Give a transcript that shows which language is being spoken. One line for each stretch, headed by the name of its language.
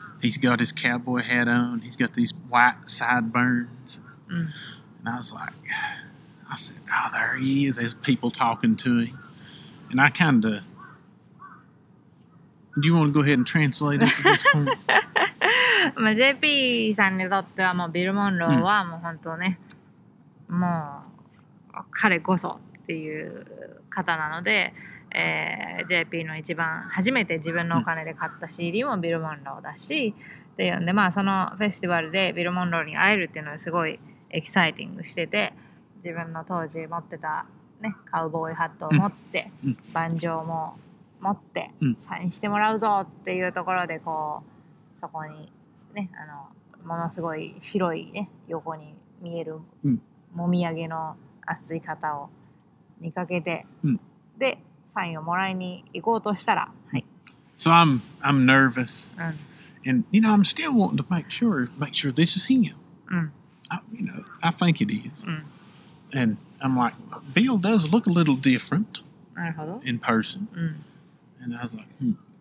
English: He's got his cowboy hat on. He's got these white sideburns. Mm. And I was like, I said, oh, there he is. There's people talking to him. And I kind of, do you want to go ahead and translate it at this point?
Japanese: まあ、JP さんにとってはもうビル・モンローはもう本当ね、もう彼こそっていう方なので、JP の一番初めて自分のお金で買った CD もビル・モンローだしっていうんで、まあそのフェスティバルでビル・モンローに会えるっていうのはすごいエキサイティングしてて、自分の当時持ってた、ね、カウボーイハットを持って、バンジョーも持ってサインしてもらうぞっていうところでこうそこに。ね、あのものすごい広い、ね、横に見えるもみあげの厚い方を見かけて、うん、でサインをもらいに行こうとしたら、はい、
English: So I'm nervous、うん、and you know I'm still wanting to make sure this is him、
Japanese: うん、
English: I think it is、うん、and I'm like Bill does look a little different in person、
Japanese: うん、
English: and I was like、hmm.